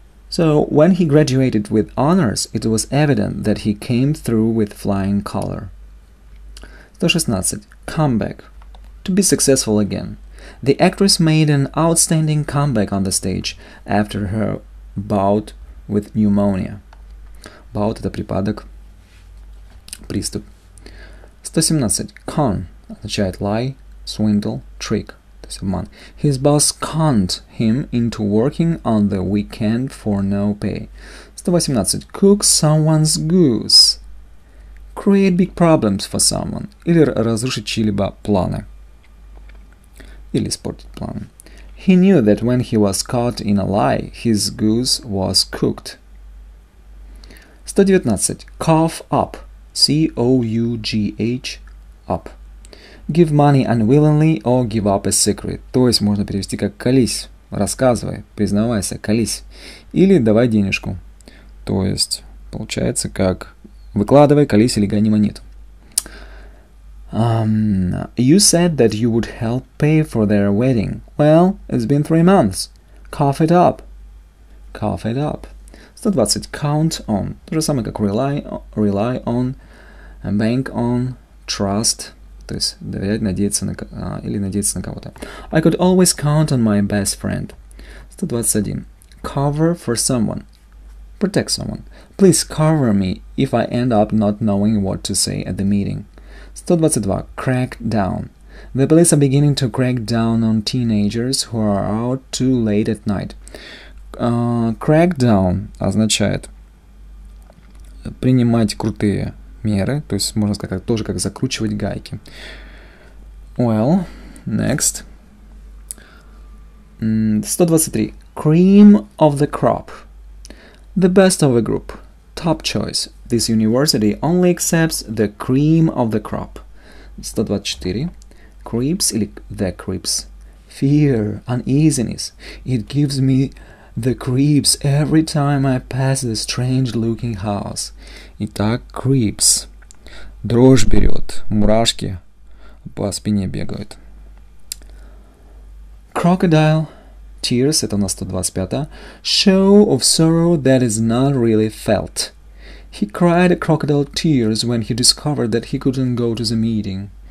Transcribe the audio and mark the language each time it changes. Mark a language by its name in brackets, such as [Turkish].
[English] So, when he graduated with honors, it was evident that he came through with flying color. 116. Comeback. To be successful again. The actress made an outstanding comeback on the stage after her bout with pneumonia. [Russian] Bout – это припадок, приступ. [English] 117. Con. [Russian] Означает [English] lie, swindle, trick. His boss conned him into working on the weekend for no pay. 118. Cook someone's goose. Create big problems for someone. [Russian] Или разрушить чьи-либо планы. Или испортить планы. [English] He knew that when he was caught in a lie, his goose was cooked. 119. Cough up. C-O-U-G-H. Up. Give money unwillingly or give up a secret. [Russian] То есть можно перевести как «колись», «рассказывай», «признавайся», «колись». Или «давай денежку». То есть получается как «выкладывай», «колись» или «гони монету». [English] You said that you would help pay for their wedding. Well, it's been 3 months. Cough it up. Cough it up. 120 count on. [Russian] То же самое, как [English] rely on, bank on, trust. [Russian] То есть доверять, надеяться на или надеяться на кого-то. [English] I could always count on my best friend. 121. Cover for someone. Protect someone. Please cover me if I end up not knowing what to say at the meeting. 122. Crack down. The police are beginning to crack down on teenagers who are out too late at night. [Russian] Crack down означает принимать крутые меры, то есть можно сказать тоже как закручивать гайки. [English] Well, next. 123. Cream of the crop. The best of the group. Top choice. This university only accepts the cream of the crop. 124. Creeps [Russian] или [English] the creeps. Fear, uneasiness. It gives me the creeps every time I pass this strange looking house. [Russian] Итак, creeps. Дрожь берет, мурашки по спине бегают. Crocodile. Tears, это у нас 125-я. [English] Show of sorrow that is not really felt. He cried crocodile tears when he discovered that he couldn't go to the meeting.